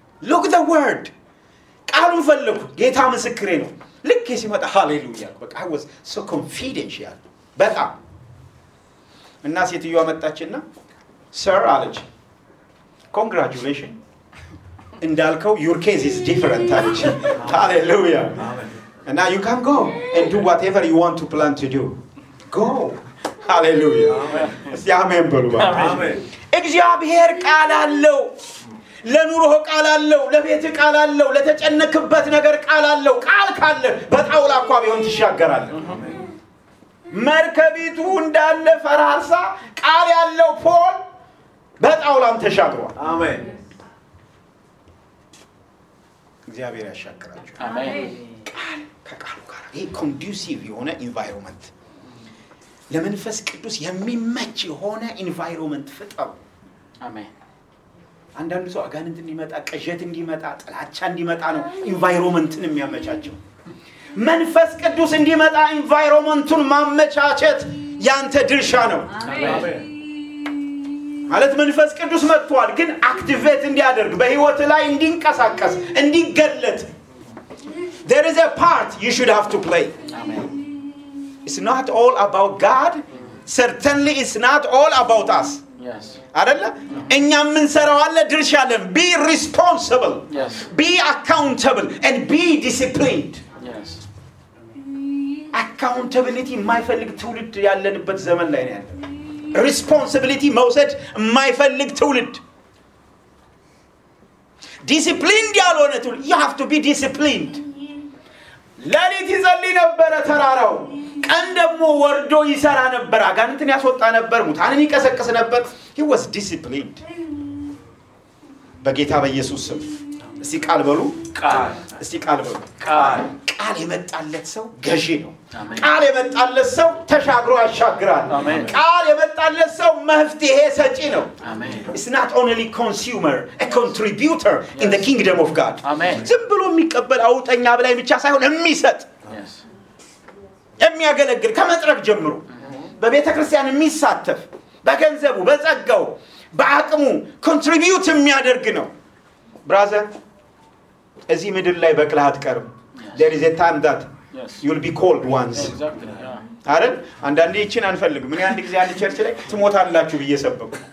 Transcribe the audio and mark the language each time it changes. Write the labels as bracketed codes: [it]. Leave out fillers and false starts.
[en] Look the word [am] ቃሉን ፈልኩ ጌታ ምስክሬ ነው። ልክ ሲመጣ ሃሌሉያ በቃ [en] I was so confidential [am] በጣም። እና ሴትዮዋ መጣችና Sir አለች Congratulations እንዳልከው [en] your case is different [am] አለች። ሃሌሉያ አሜን። [en] And now you can go and do whatever you want to plan to do. Go. ሃሌሉያ [am] አሜን። ያሜን በሉ ባ አሜን። እግዚአብሔር ቃል አለው። ለኑሮህ ቃል አለው። ለቤትህ ቃል አለው። ለተጨነክበት ነገር ቃል አለው። ቃል ካለ በጣውላ አቋም ይሆን ትሻገራለህ። አሜን። መርከቢቱ እንዳለ ፈራርሳ ቃል ያለው ፖል በጣውላም ተሻግሯል። አሜን። እግዚአብሔር ያሻግራችሁ። አሜን። ቃል ከቃሉ ጋር ይሄ ኮንዱሲቭ የሆነ ኢንቫይሮንመንት ለመንፈስ ቅዱስ የሚመች የሆነ ኢንቫይሮንመንት ፍጠሩ። አሜን። አንዳንድ ሰው አጋንንት እንዲመጣ ቀጀት እንዲመጣ ጥላቻ እንዲመጣ ነው ኢንቫይሮንመንትን የሚያመቻቸው። መንፈስ ቅዱስ እንዲመጣ ኢንቫይሮንመንቱን ማመቻቸት ያንተ ድርሻ ነው። አሜን። ማለት መንፈስ ቅዱስ መጥቷል ግን አክቲቬት እንዲያደርግ በህይወት ላይ እንዲንቀሳቀስ እንዲገለጥ [en] there is a part you should have to play. [am] አሜን። [en] It's not all about God. Certainly it's not all about us. [am] አይደለ? እኛ ምን ሰራዋለ ድርሻለን? [en] Be responsible. Be accountable and be disciplined. [am] Accountability የማይፈልግ ትውልድ ያለንበት ዘመን ላይ ነው ያለ። Responsibility መውሰድ የማይፈልግ ትውልድ። Disciplined ያልሆነ ትውልድ [en] you have to be disciplined. [am] ለሊት ይዘል ነበር ተራራው ቀን ደግሞ ወርዶ ይሰራ ነበር አጋንንትን ያስወጣ ነበር ሙታንን ይቀሰቅስ ነበር [en] he was disciplined [am] በጌታ በኢየሱስ ስም እስቲ ቃል በሉ ቃል እስቲ ቃል በሉ ቃል ቃል የመጣለት ሰው ገዢ ነው ቃል የመጣለት ሰው ተሻግሮ ያሻግራል ቃል የመጣለት ሰው መፍትሄ ሰጪ ነው [en] amen it's not only consumer a contributor in the kingdom of god amen [am] ዝም ብሎ የሚቀበል አውጠኛ ብላይ ብቻ ሳይሆን የሚሰጥ የሚያገለግል ከመጥረክ ጀምሮ በቤተክርስቲያን የሚሳተፍ በገንዘቡ በጸጋው በአቅሙ ኮንትሪቢዩት የሚያደርግ ነው። ብራዘር እዚህ ምድር ላይ በቅላት ቀርም [en] there is a time that you'll be called once [am] አረን አንዳንዴ እቺን አንፈልግ ምን አንድ ጊዜ አንድ ቸርች ላይ ትሞታላችሁ በየሰበቁ